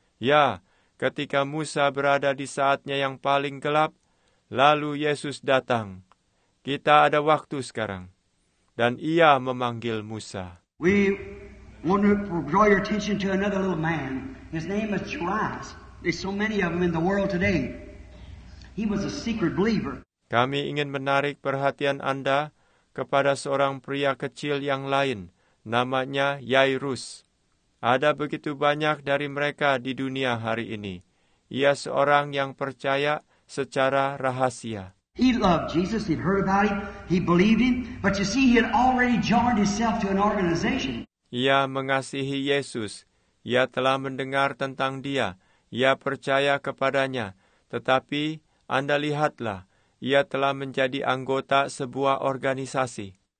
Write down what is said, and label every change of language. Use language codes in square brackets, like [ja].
[id] Ya, ketika Musa berada di saatnya yang paling gelap, lalu Yesus datang. Kita ada waktu sekarang, dan ia memanggil Musa. [en] We want to draw your attention to another little man. His name is Jairus. There's so many of them in the world today. He was a secret believer. [id] Kami ingin menarik perhatian Anda kepada seorang pria kecil yang lain, namanya Jairus. Ada begitu banyak dari mereka di dunia hari ini. Ia seorang yang percaya secara rahasia. [en] He loved Jesus, he'd heard about him, he believed him, but you see, he had already joined himself to an organization. [id] Ia mengasihi Yesus, ia telah mendengar tentang dia, ia percaya kepadanya, tetapi Anda lihatlah, ia telah menjadi anggota sebuah organisasi.